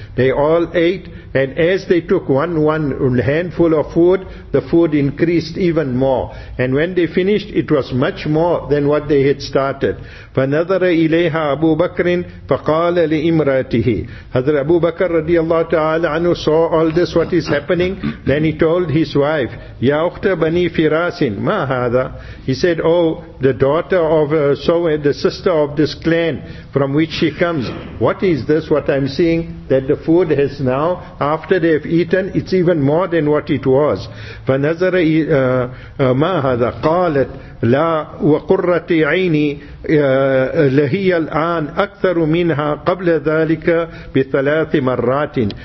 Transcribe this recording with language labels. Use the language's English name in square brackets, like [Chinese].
[English] They all ate, and as they took one handful of food, the food increased even more. And when they finished, it was much more than what they had started. [Arabic] فَنَظَرَ إِلَيْهَا أَبُو بَكْرٍ فَقَالَ لِإِمْرَاتِهِ. [English] Hazrat Abu Bakr radiallahu ta'ala anhu saw all this, what is happening. Then he told his wife, [Arabic] يَا أُخْتَ بَنِي فِرَاسٍ مَا هَذَا. [English] He said, oh, the daughter of the sister of this clan from which she comes, what is this, what I'm seeing, that the food has now, after they have eaten, it's even more than what it was. [Arabic] فَنَظَرَ مَا هَذَا قَالَتْ لَا وَقُرَّةِ عَيْنِي لَهِيَ الْآنَ أَكْثَرُ مِنْهَا قَبْلَ ذَلِكَ بِثَلَاثِ مَرَّاتٍ.